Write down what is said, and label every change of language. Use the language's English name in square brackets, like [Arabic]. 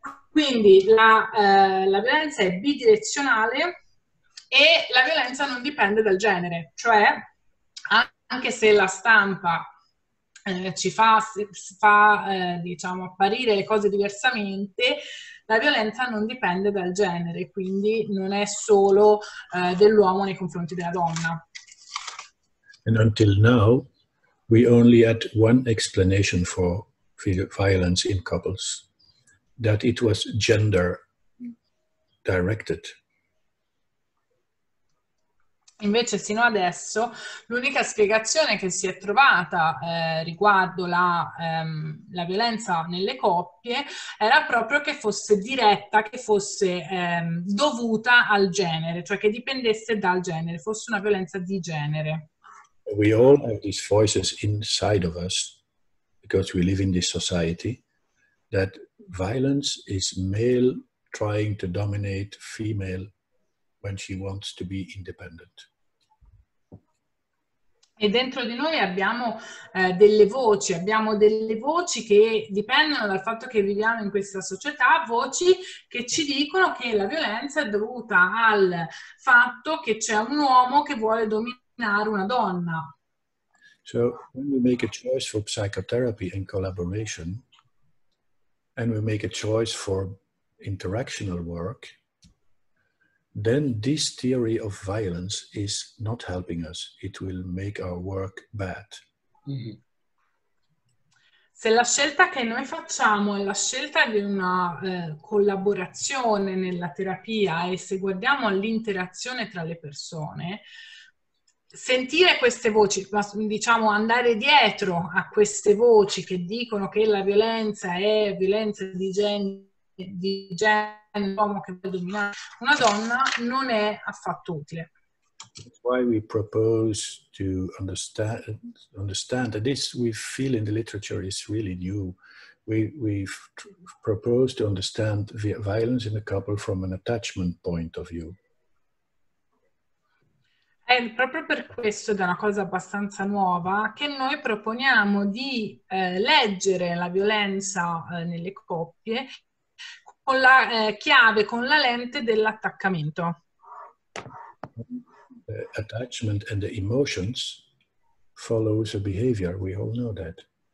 [Italian] Quindi la violenza è bidirezionale e la violenza non dipende dal genere, cioè anche se la stampa ci fa apparire le cose diversamente, la violenza non dipende dal genere, quindi non è solo dell'uomo nei confronti della donna. [English] And until now we only had one explanation for violence in couples, that it was gender directed. [Italian] Invece sino adesso l'unica spiegazione che si è trovata riguardo la violenza nelle coppie era proprio che fosse diretta, che fosse dovuta al genere, cioè che dipendesse dal genere, fosse una violenza di genere. [English] We all have these voices inside of us because we live in this society that violence is male trying to dominate female when she wants to be independent. [Italian] E dentro di noi abbiamo delle voci che dipendono dal fatto che viviamo in questa società, voci che ci dicono che la violenza è dovuta al fatto che c'è un uomo che vuole dominare una donna. [English] So when we make a choice for psychotherapy and collaboration and we make a choice for interactional work, then this theory of violence is not helping us. It will make our work bad. Mm-hmm. [Italian] Se la scelta che noi facciamo è la scelta di una collaborazione nella terapia e se guardiamo all'interazione tra le persone, sentire queste voci, diciamo andare dietro a queste voci che dicono che la violenza è violenza di genere, un uomo che vuole dominare una donna, non è affatto utile. [English] That's why we propose to understand that this we feel in the literature is really new. We propose to understand the violence in a couple from an attachment point of view. [Italian] È proprio per questo, ed è una cosa abbastanza nuova, che noi proponiamo di leggere la violenza nelle coppie con la chiave, con la lente dell'attaccamento. [English] Attachment and the emotions follows a behavior, we all know that.